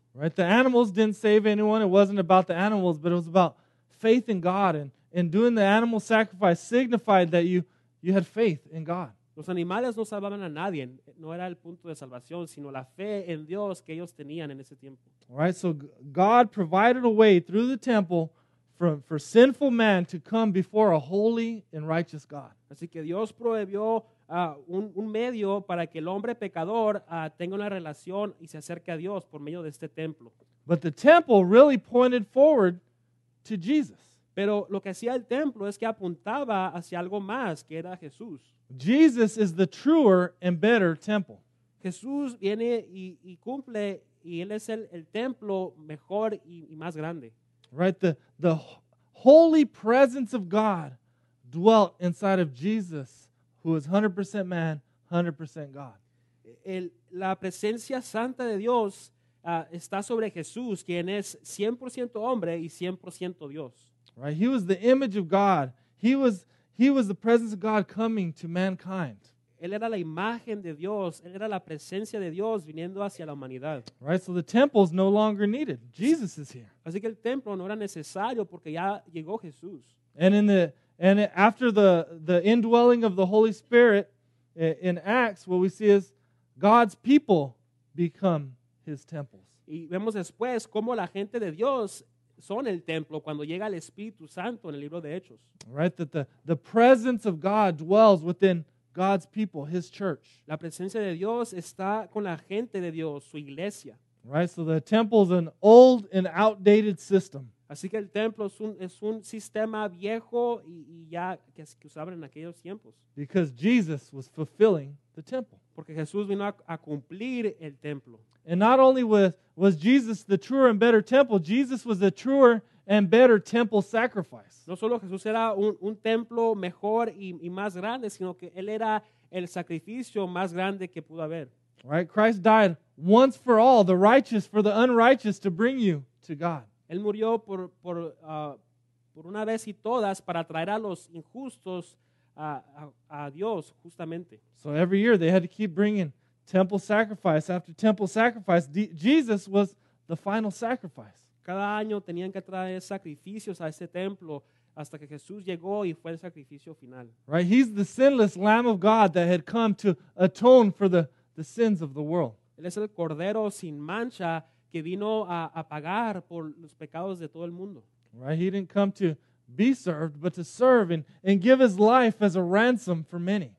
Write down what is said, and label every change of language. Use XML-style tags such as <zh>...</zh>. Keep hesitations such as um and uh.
<en>Right, the animals didn't save anyone. It wasn't about the animals, but it was about faith in God and and doing the animal sacrifice signified that you, you had faith in God.</en> <es>Los animales no salvaban a nadie, no era el punto de salvación, sino la fe en Dios que ellos tenían en ese tiempo.</es> <en>All right, so God provided a way through the temple for, for sinful man to come before a holy and righteous God.</en> <es>Así que Dios prohibió uh, un, un medio para que el hombre pecador uh, tenga una relación y se acerque a Dios por medio de este templo.</es> <en>But the temple really pointed forward to Jesus.</en> <es>Pero lo que hacía el templo es que apuntaba hacia algo más, que era Jesús. Jesús es el</es> <en>truer and better temple.</en> <es>Jesús viene y, y, cumple y él es el, el templo mejor y, y, más grande.</es> <en>Right, the, the holy presence of God dwelt inside of Jesus, who is 100% man, 100% God.</en> <es>El, la presencia santa de Dios uh, está sobre Jesús, quien es 100% hombre y 100% Dios.</es> <en>right? He was the image of God. He was, he was the presence of God coming to mankind.</en> <es>Él era la imagen de Dios. Él era la presencia de Dios viniendo hacia la humanidad.</es> <en>Right, so the temple is no longer needed. Jesus is here.</en> <es>Así que el templo no era necesario porque ya llegó Jesús.</es> <en>And in the and after the the indwelling of the Holy Spirit in Acts, what we see is God's people become His temples.</en> <es>Y vemos después cómo la gente de Dios Right,</es> <en>that the, the presence of God dwells within God's people, His church.</en> <es>La presencia de Dios está con la gente de Dios, su iglesia.</es> <en>Right, so the temple is an old and outdated system.</en> <es>Así que el templo es un, es un sistema viejo y, y ya que, es que usaban en aquellos tiempos.</es> <en>Because Jesus was fulfilling the temple.</en> <es>Porque Jesús vino a, a cumplir el templo.</es> <en>And not only was, was Jesus the truer and better temple, Jesus was the truer and better temple sacrifice.</en> <es>No solo Jesús era un, un templo mejor y, y más grande, sino que él era el sacrificio más grande que pudo haber.</es> <en>All right? Christ died once for all, the righteous for the unrighteous to bring you to God.</en> <es>Él murió por, por, uh, por una vez y todas para traer a los injustos a a, a, a Dios, so</es> <en>every year they had to keep bringing temple sacrifice after temple sacrifice. D- Jesus was the final sacrifice.</en> <es>Cada año tenían que traer sacrificios a ese templo hasta que Jesús llegó y fue el sacrificio final.</es> <en>Right, he's the sinless Lamb of God that had come to atone for the, the sins of the world.</en> <es>Él es el cordero sin mancha que vino a, a pagar por los pecados de todo el mundo.</es> <en>Right, he didn't come to be served, but to serve and, and give his life as a ransom for many.</en>